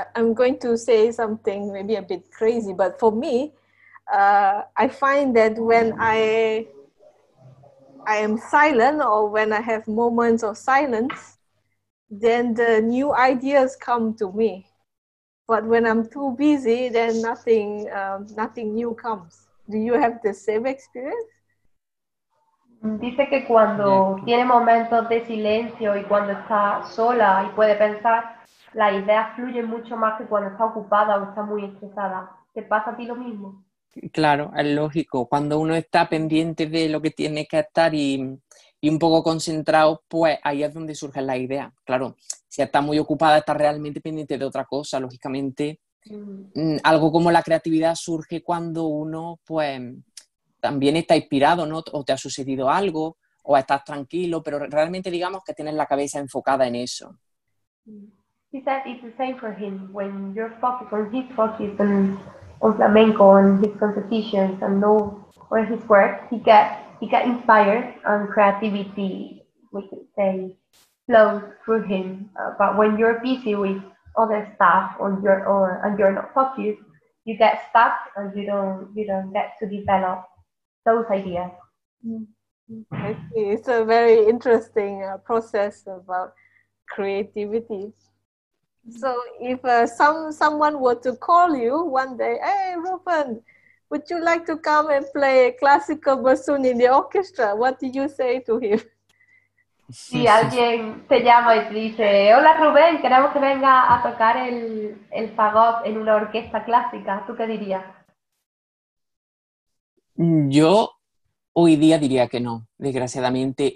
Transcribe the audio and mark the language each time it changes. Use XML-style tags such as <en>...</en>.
<en>I'm going to say something maybe a bit crazy, but for me, I find that when I am silent, or when I have moments of silence, then the new ideas come to me. But when I'm too busy, then nothing new comes. Do you have the same experience?</en> <es>Dice que cuando tiene momentos de silencio y cuando está sola y puede pensar, la idea fluye mucho más que cuando está ocupada o está muy estresada. ¿Te pasa a ti lo mismo? Claro, es lógico. Cuando uno está pendiente de lo que tiene que estar y un poco concentrado, pues ahí es donde surge la idea. Claro, si está muy ocupada, está realmente pendiente de otra cosa, lógicamente. Algo como la creatividad surge cuando uno, pues, también está inspirado, ¿no? O te ha sucedido algo, o estás tranquilo, pero realmente digamos que tienes la cabeza enfocada en eso.</es> <en>He said it's the same for him. When you're focused on his focus on flamenco, on his compositions, and on his work, he gets inspired and creativity, we could say, flows through him. But when you're busy with other stuff on your own and you're not focused, you get stuck and you don't get to develop those ideas. Mm-hmm. It's a very interesting process about creativity. So if someone were to call you one day, hey, Ruben, would you like to come and play classical bassoon in the orchestra? What do you say to him?</en> <es>Si alguien te llama y te dice, hola, Ruben, queremos que venga a tocar el fagot en una orquesta clásica, ¿tú qué dirías? Yo hoy día diría que no, desgraciadamente.</es>